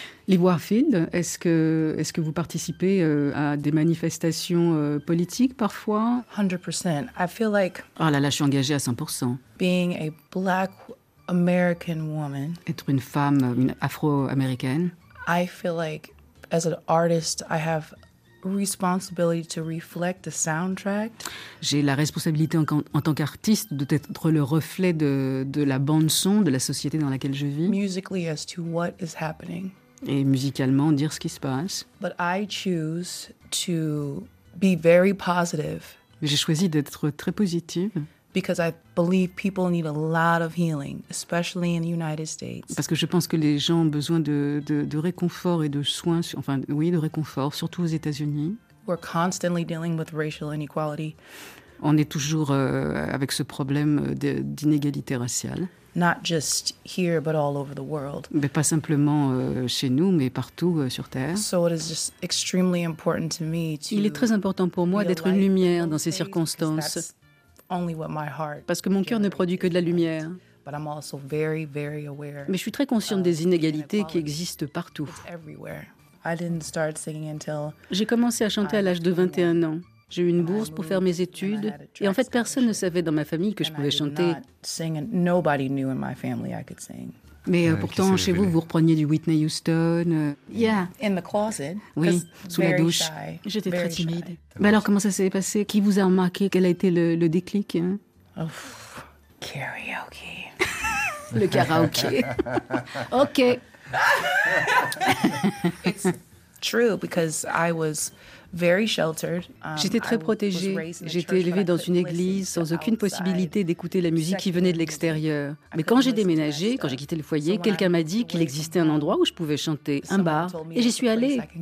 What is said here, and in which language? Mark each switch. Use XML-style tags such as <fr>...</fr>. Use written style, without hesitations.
<fr>Lee Warfield, est-ce que vous participez à des manifestations politiques parfois?</fr> <en>100%. I feel like.</en> <fr>Oh là là, je suis engagée à 100%.</fr> <en>Being a black American woman.</en> <fr>Être une femme afro-américaine.</fr> <en>I feel like, as an artist, I have responsibility to reflect the soundtrack.</en> <fr>J'ai la responsabilité en tant qu'artiste d'être le reflet de la bande son de la société dans laquelle je vis.</fr> <en>Musically as to what is happening.</en> <fr>Et musicalement dire ce qui se passe.</fr> <en>But I choose to be very positive.</en> <fr>J'ai choisi d'être très positive.</fr> <en>Because I believe people need a lot of healing, especially in the United States.</en> <fr>Parce que je pense que les gens ont besoin de réconfort et de soins, de réconfort, surtout aux États-Unis.</fr> <en>We're constantly dealing with racial inequality.</en> <fr>On est toujours avec ce problème d'inégalité raciale.</fr> <en>Not just here, but all over the world.</en> <fr>Mais pas simplement chez nous, mais partout sur Terre.</fr> <en>So it is just extremely important to me to.</en> <fr>Il est très important pour moi d'être une lumière dans ces circonstances.</fr> <en>Only what my heart.</en> <fr>Parce que mon cœur ne produit que de la lumière.</fr> <en>But I'm also very, very aware.</en> <fr>Mais je suis très consciente des inégalités qui existent partout.</fr> <en>It's everywhere. I didn't start singing until.</en> <fr>J'ai commencé à chanter à l'âge de 21 ans. J'ai eu une bourse pour faire mes études. Et en fait, personne ne savait dans ma famille que je pouvais chanter.</fr> <en>Nobody knew in my family I could sing.</en> <fr>Mais pourtant, chez vous, vous repreniez du Whitney Houston.</fr> <en>Yeah. In the closet.</en> <fr>Oui, sous la douche.</fr> <en>Shy.</en> <fr>J'étais</fr> <en>very</en> <fr>très timide. Mais alors, comment ça s'est passé? Qui vous a remarqué? Quel a été le déclic? Hein?</fr> <en>Ouf, karaoke.</en> <fr>Le karaoké. OK.</fr> <en>It's true because I was very sheltered.</en> <fr>J'étais très protégée. J'étais élevée dans une église sans aucune possibilité d'écouter la musique qui venait de l'extérieur. Mais quand j'ai déménagé, quand j'ai quitté le foyer, quelqu'un m'a dit qu'il existait un endroit où je pouvais chanter, un bar, et j'y suis allée.</fr>